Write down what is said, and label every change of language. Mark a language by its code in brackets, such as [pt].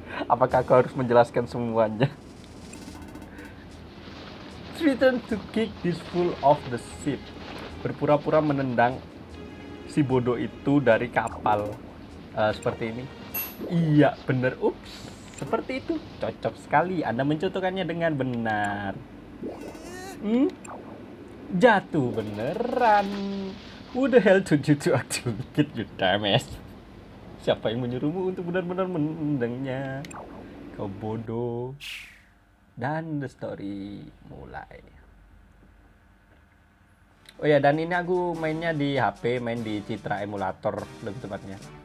[id] Apakah aku harus menjelaskan semuanya? [en] Threaten to kick this fool off the ship. [id] Berpura-pura menendang si bodoh itu dari kapal. Seperti ini. Iya, benar. Ups. Seperti itu. Cocok sekali. Anda mencontohkannya dengan benar. Jatuh beneran. [en] Who the hell told you to actually kick, you dumbass? [id] Siapa yang menyuruhmu untuk benar-benar menendangnya? Kau bodoh. Dan [en] the story [id] mulai. Oh ya, dan ini aku mainnya di HP, main di Citra emulator lebih tepatnya.